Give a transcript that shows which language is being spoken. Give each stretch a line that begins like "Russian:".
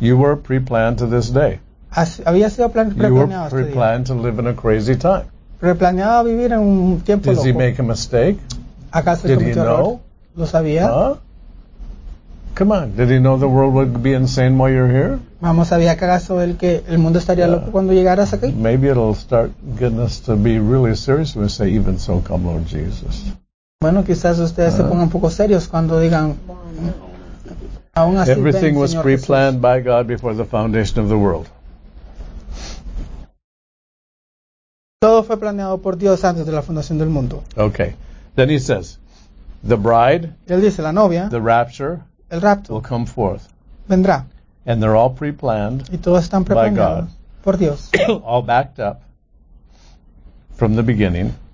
English: You were pre-planned to this day.
Spanish: Había sido preplaneado.
English: You were pre-planned to live in a crazy time.
Spanish: Preplaneado a vivir en un tiempo
English: Does
Spanish: loco.
English: Did he make a mistake?
Spanish: ¿Acaso
English: did he know?
Spanish: ¿Lo sabía?
English: Huh? Come on. Did he know the world would be insane while you're here?
Spanish: Vamos, ¿sabía acaso el que el mundo estaría loco cuando llegaras aquí?
English: Maybe it'll start getting us to be really serious when we say, even so, come Lord Jesus.
Spanish: Bueno, quizás ustedes se pongan un poco serios cuando digan, aún así,
English: Everything
Spanish: ven,
English: was
Spanish: Señor
English: pre-planned By God before the foundation of the world.
Spanish: Todo fue planeado por Dios antes de la fundación del mundo.
English: Okay. Then he says, the bride,
Spanish: él dice, la novia,
English: the rapture,
Spanish: el rapto,
English: will come forth.
Spanish: Vendrá.
English: And they're all pre-planned
Spanish: y todos están
English: by God.
Spanish: Por Dios.
English: All backed up from the beginning.